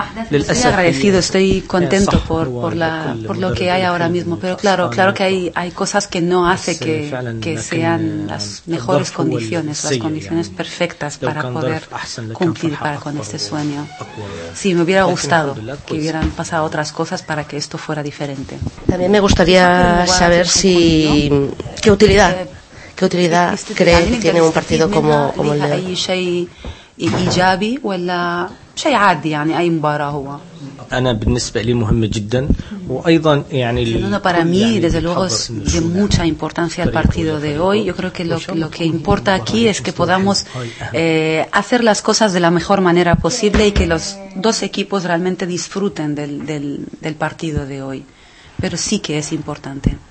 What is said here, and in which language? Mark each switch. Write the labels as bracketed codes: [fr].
[es] Estoy agradecido, estoy contento por lo que hay ahora mismo, pero claro que hay cosas que no hace que sean las mejores condiciones, las condiciones perfectas para poder cumplir con este sueño. Sí, me hubiera gustado que hubieran pasado otras cosas para que esto fuera diferente. También me gustaría saber si qué utilidad cree que tiene un partido como el de hoy. [ar] إيجابي ولا شيء عادي يعني أي مباراة هو. أنا بالنسبة لي مهمة جدا وأيضا يعني. [es] Una para mí desde luego es de mucha importancia el partido de hoy. Yo creo que lo que importa aquí es que podamos hacer las cosas de la mejor manera posible y que los dos equipos realmente disfruten del partido de hoy. Pero sí que es importante.